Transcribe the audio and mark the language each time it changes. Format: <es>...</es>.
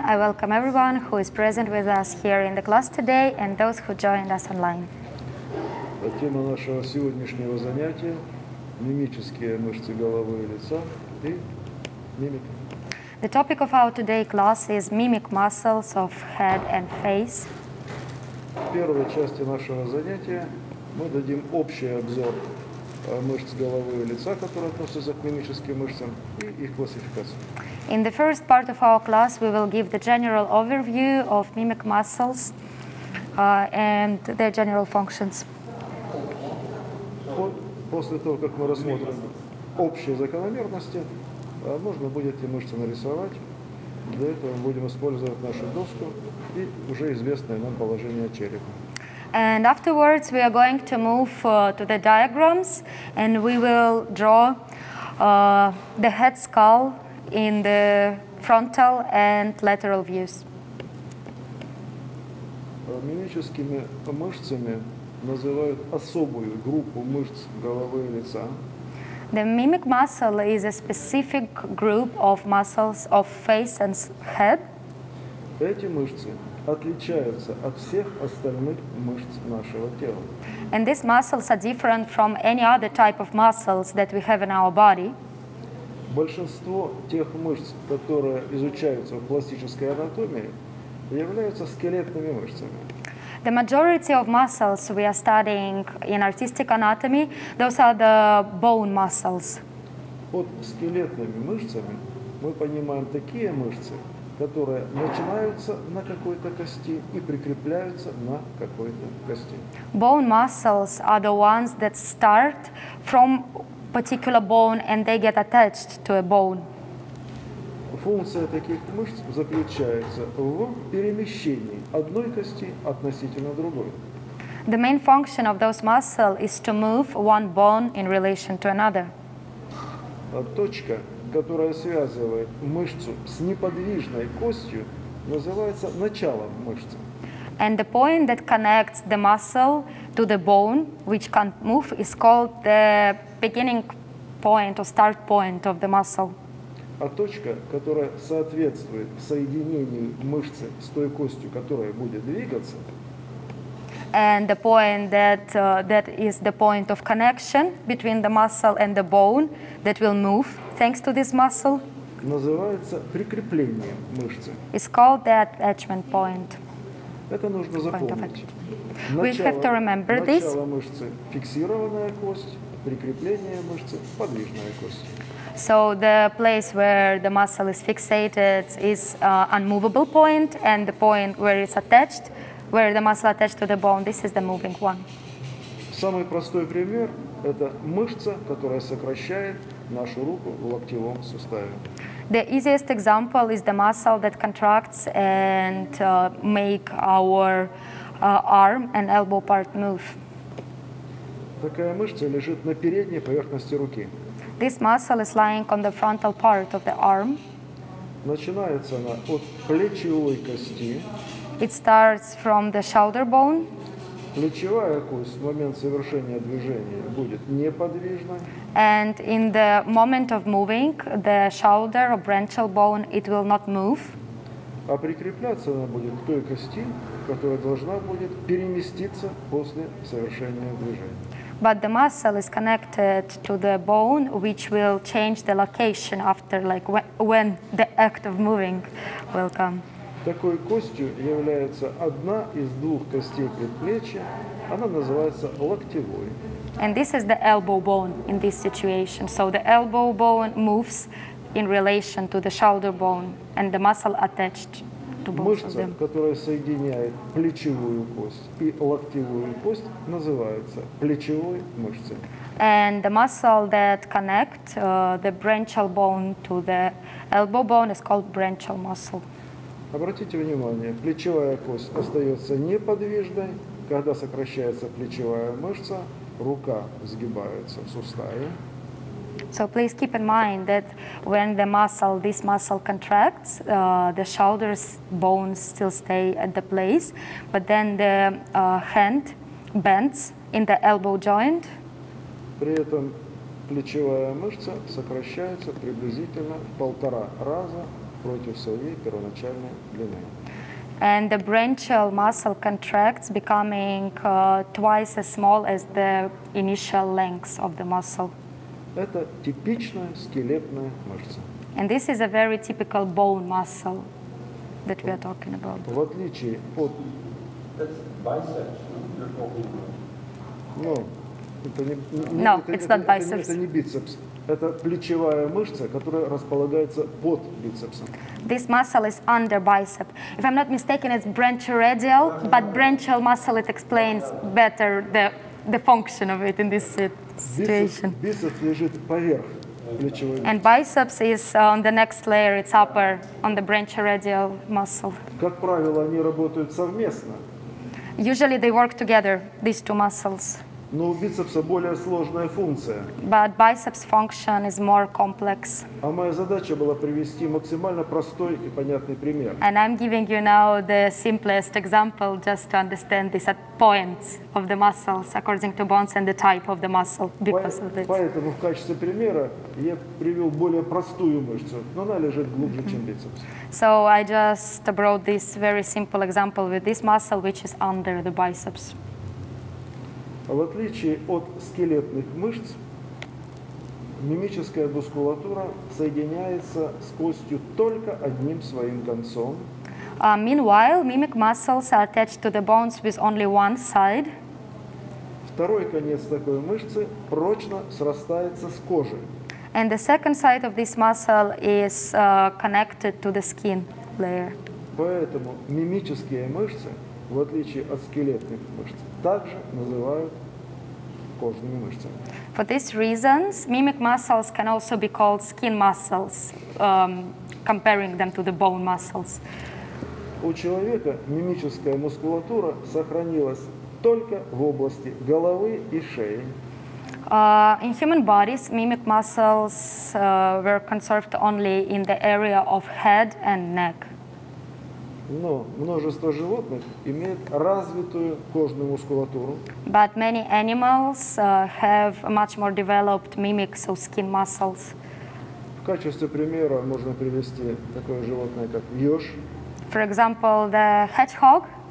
<en>I welcome everyone who is present with us here in the class today and those who joined us online. The theme of our today's</en> <ru>занятия – мимические мышцы головы и лица и мимика.</ru> <en>The topic of our today class is mimic muscles of head and face.</en> <ru>В первой части нашего занятия мы дадим общий обзор мышц головы и лица, которые относятся к мимическим мышцам, и их классификацию.</ru> <en>In the first part of our class, we will give the general overview of mimic muscles and their general functions.</en> <ru>После того, как мы рассмотрим общие закономерности, можно будет и мышцы нарисовать. Для этого мы будем использовать нашу доску и уже известное нам положение черепа.</ru> <en>And afterwards, we are going to move to the diagrams, and we will draw the head skull in the frontal and lateral views.</en> <ru>Мимическими мышцами называют особую группу мышц головы и лица.</ru> <en>The mimic muscle is a specific group of muscles of face and head.</en> <ru>Эти мышцы отличаются от всех остальных мышц нашего тела.</ru> <en>And these muscles are different from any other type of muscles that we have in our body.</en> <ru>Большинство тех мышц, которые изучаются в пластической анатомии, являются скелетными мышцами.</ru> <en>The majority of muscles we are studying in artistic anatomy, those are the bone muscles.</en> <ru>Под скелетными мышцами мы понимаем такие мышцы, которые начинаются на какой-то кости и прикрепляются на какой-то кости.</ru> <en>Bone muscles are the ones that start from particular bone and they get attached to a bone.</en> <ru>Функция таких мышц заключается в перемещении одной кости относительно другой.</ru> <en>The main function of those muscles is to move one bone in relation to another.</en> <ru>Точка, которая связывает мышцу с неподвижной костью, называется началом мышцы.</ru> <en>And the point that connects the muscle to the bone, which can't move, is called the beginning point or start point of the muscle.</en> <ru>А точка, которая соответствует соединению мышцы с той костью, которая будет двигаться.</ru> <en>And the point that that is the point of connection between the muscle and the bone that will move thanks to this muscle.</en> <ru>Называется прикрепление мышцы.</ru> <en>It's called the attachment point.</en> <ru>Это нужно запомнить.</ru> <en>We have to remember this.</en> <ru>Начало мышцы – фиксированная кость, прикрепление мышцы – подвижная кость.</ru> <en>So the place where the muscle is fixated is unmovable point, and the point where it's attached, where the muscle attached to the bone, this is the moving one.</en> <ru>Самый простой пример – это мышца, которая сокращает нашу руку в локтевом суставе.</ru> <en>The easiest example is the muscle that contracts and make our arm and elbow part move.</en> <ru>Такая мышца лежит на передней поверхности руки.</ru> <en>This muscle is lying on the frontal part of the arm.</en> <ru>Начинается она от плечевой кости.</ru> <en>It starts from the shoulder bone.</en> <ru>Плечевая кость в момент совершения движения будет неподвижна.</ru> <en>And in the moment of moving, the shoulder or branchial bone, it will not move.</en> <ru>А прикрепляться она будет к той кости, которая должна будет переместиться после совершения движения.</ru> <en>But the muscle is connected to the bone, which will change the location after, like, when the act of moving will come.</en> <ru>Такой костью является одна из двух костей предплечья. Она называется локтевой.</ru> <en>And this is the elbow bone in this situation. So the elbow bone moves in relation to the shoulder bone and the muscle attached to both</en> <ru>мышца,</ru> <en>of them.</en> <ru>Мышца, которая соединяет плечевую кость и локтевую кость, называется плечевой мышцей.</ru> <en>And the muscle that connects the branchial bone to the elbow bone is called branchial muscle.</en> <ru>Обратите внимание, плечевая кость остается неподвижной. Когда сокращается плечевая мышца, рука сгибается в суставе.</ru> <en>So please keep in mind that when the muscle, this muscle contracts, the shoulder's bones still stay at the place, but then the hand bends in the elbow joint.</en> <ru>При этом плечевая мышца сокращается приблизительно в полтора раза против своей первоначальной длины.</ru> <en>And the branchial muscle contracts, becoming twice as small as the initial length of the muscle.</en> <ru>Это типичная скелетная мышца.</ru> <en>And this is a very typical bone muscle that we are talking about.</en> <ru>В отличие от...</ru> <en>That's biceps, you're talking about.</en> <ru>No, это не,</ru> <en>no, it's not biceps.</en> <ru>Это не бицепс. Это плечевая мышца, которая располагается под бицепсом.</ru> <en>This muscle is under bicep. If I'm not mistaken, it's branchioradial, but branchial muscle, it explains better the function of it in this situation.</en> <ru>Бицепс лежит поверх плечевой мышцы.</ru> <en>And biceps is on the next layer, it's upper on the branchioradial muscle.</en> <ru>Как правило, они работают совместно.</ru> <en>Usually they work together, these two muscles.</en> <ru>Но у бицепса более сложная функция.</ru> <en>But biceps function is more complex.</en> <ru>А моя задача была привести максимально простой и понятный пример.</ru> <en>And I'm giving you now the simplest example just to understand these points of the muscles according to bones and the type of the muscle because of this.</en> <ru>Поэтому в качестве примера я привел более простую мышцу, но она лежит глубже, чем бицепс.</ru> <en>So I just brought this very simple example with this muscle which is under the biceps.</en> <ru>В отличие от скелетных мышц, мимическая мускулатура соединяется с костью только одним своим концом.</ru> <en>Meanwhile, mimic muscles are attached to the bones with only one side.</en> <ru>Второй конец такой мышцы прочно срастается с кожей.</ru> <en>And the second side of this muscle is connected to the skin layer.</en> <ru>Поэтому мимические мышцы, в отличие от скелетных мышц, также называют кожными мышцами.</ru> <en>For these reasons, mimic muscles can also be called skin muscles, comparing them to the bone muscles.</en> <ru>У человека мимическая мускулатура сохранилась только в области головы и шеи.</ru> <en>In human bodies, mimic muscles were conserved only in the area of head and neck.</en> <ru>Но множество животных имеют развитую кожную мускулатуру.</ru> <en>But many animals have much more developed mimics, so skin muscles.</en> <ru>В качестве примера можно привести такое животное, как еж.</ru> <en>For example, the hedgehog.</en>